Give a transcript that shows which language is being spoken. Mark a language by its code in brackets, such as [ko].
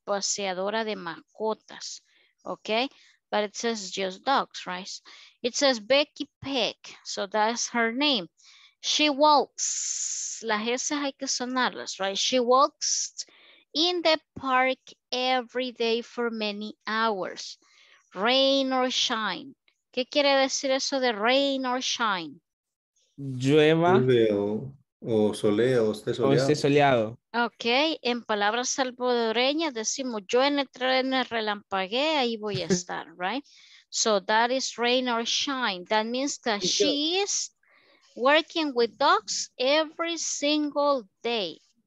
[es] Paseadora de mascotas, [en] okay? But it says just dogs, right? It says Becky Pig, so that's her name. She walks, [es] las S hay que sonarlas, [en] right? She walks in the park every day for many hours. Rain or shine. [es] ¿Qué quiere decir eso de [en] rain or shine? [es] Llueva. O soleo, o esté soleado. Ok, en palabras salvadoreñas decimos yo en el tren relampagué, ahí voy a estar, right? [en] So that is rain or shine. That means that she is working with dogs every single day.